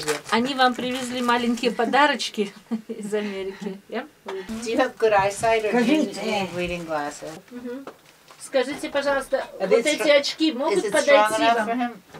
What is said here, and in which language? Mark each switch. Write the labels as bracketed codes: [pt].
[ru] Они вам привезли маленькие подарочки из Америки. [en] Do you have good eyesight or do you need reading glasses? Mm-hmm. [ru] Скажите, пожалуйста, вот эти очки могут подойти вам?